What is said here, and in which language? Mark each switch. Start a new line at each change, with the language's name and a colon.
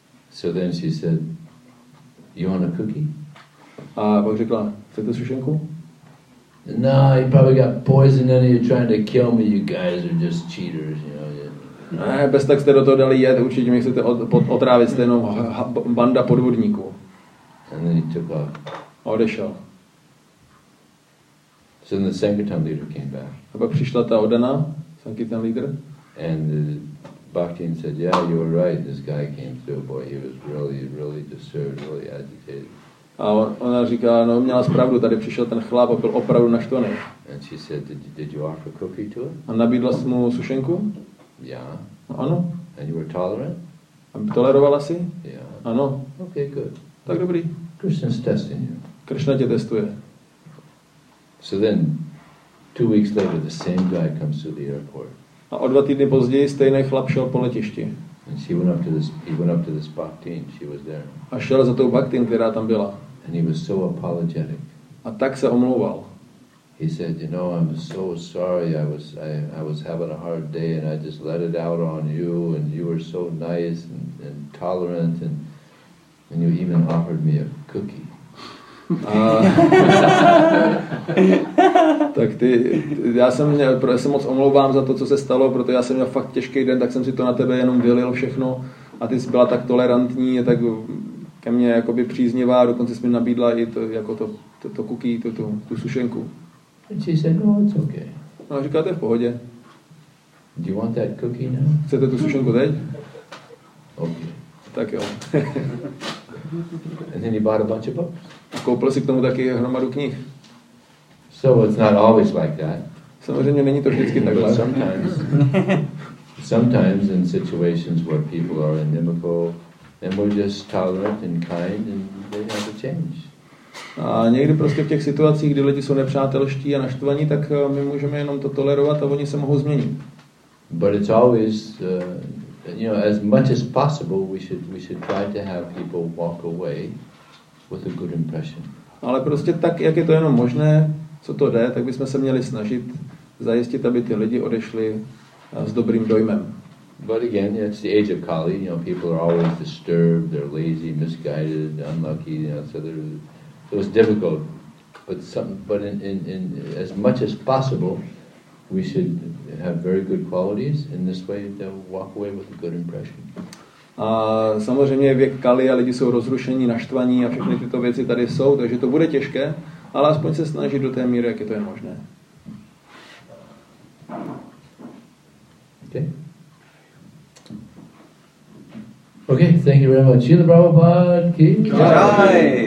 English: So then she said, "You want a cookie?"
Czech: A pak řekla, chcete sušenku?
English: "No, you probably got poison in you trying to kill me, you guys are just cheaters, you know."
Czech: Ne, bez tak jste do toho dali jet, určitě mi chcete otrávit, jste jenom banda podvodníků.
English: And then he took off.
Czech: A odešel.
English: So then the Sangatam leader came back.
Czech: A pak přišla ta oddaná, Sangatam leader.
English: And the bhaktin said, "Yeah, you were right, this guy came through, boy, he was really, really disturbed, really agitated."
Czech: A ona říká, no, měla spravdu, tady přišel ten chlap a byl opravdu naštvaný.
English: And she said, did you offer cookie to him?
Czech: A nabídla jsi mu sušenku?
English: Yeah.
Czech: Ano.
English: And you were tolerant?
Czech: A tolerovala jsi?
English: Yeah.
Czech: Ano.
English: Okay, good.
Czech: Tak dobrý.
English: Krishna's testing you.
Czech: Krishna tě testuje.
English: So then, 2 weeks later, the same guy comes to the airport.
Czech: A o 2 týdny později stejný chlap šel po letišti.
English: And she went up to this. He went up to this bhaktin. She was there.
Czech: A šel za tou bhaktin, která tam byla.
English: And he was so apologetic. A tak se omlouval. He said, "You know, I'm so sorry. I was having a hard day, and I just let it out on you. And you were so nice and tolerant, and you even offered me a cookie."
Czech: Tak ty, já se moc omlouvám za to, co se stalo, protože já jsem měl fakt těžký den, tak jsem si to na tebe jenom vylil všechno, a ty jsi byla tak tolerantní, tak ke mně jakoby příznivá, dokonce jsi mi nabídla i to jako to cookie, tu sušenku.
English: And she said, "No, it's okay."
Czech: A říká, to je v pohodě.
English: "Do you want that cookie now?"
Czech: Chcete tu sušenku teď?
English: Okay.
Czech: Tak jo.
English: And then he bought a bunch of books.
Czech: Koupil si k tomu taky hromadu knih.
English: So it's not always like that.
Czech: Samozřejmě není to vždycky takhle.
English: But sometimes in situations where people are inimical, and we're just tolerant and kind, and they have a change.
Czech: A někdy prostě v těch situacích, kdy lidi jsou nepřátelští a naštvaní, tak my můžeme jenom to tolerovat a oni se mohou změnit.
English: But it's always, you know, as much as possible, we should try to have people walk away with a good impression.
Czech: Ale prostě tak, jak je to jenom možné, co to jde, tak bychom se měli snažit zajistit, aby ty lidi odešli s dobrým dojmem.
English: But again, it's the age of Kali. You know, people are always disturbed, they're lazy, misguided, unlucky. You know, so it was difficult. But in as much as possible, we should have very good qualities. In this way, they'll walk away with a good impression.
Czech: A samozřejmě věk Kali a lidi jsou rozrušení, naštvaní a všechny tyto věci tady jsou, takže to bude těžké, ale aspoň se snažit do té míry, jak je to je možné.
English: Okay. Okay, thank you very much. Srila Prabhupada ki jai.